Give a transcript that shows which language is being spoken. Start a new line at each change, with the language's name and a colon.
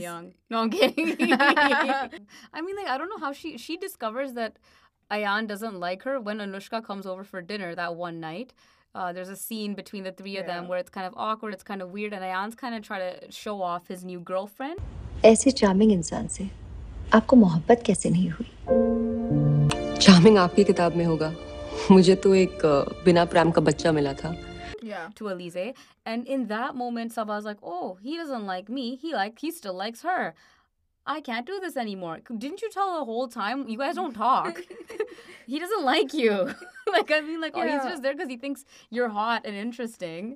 English: young. No, I'm kidding. I mean, like, I don't know how she discovers that Ayan doesn't like her when Anushka comes over for dinner that one night. There's a scene between the three of them where it's kind of awkward, it's kind of weird, and Ayan's kind of trying to show off his new girlfriend.
Hindi: ऐसे charming इंसान से आपको मोहब्बत कैसे नहीं हुई? Charming आपकी किताब में होगा. मुझे तो एक बिना प्रेम का बच्चा मिला था.
English: Yeah. To Elise. And in that moment, Saba's like, oh, he doesn't like me. He still likes her. I can't do this anymore. Didn't you tell the whole time? You guys don't talk. He doesn't like you. Like, I mean, like, oh, he's just there because he thinks you're hot and interesting.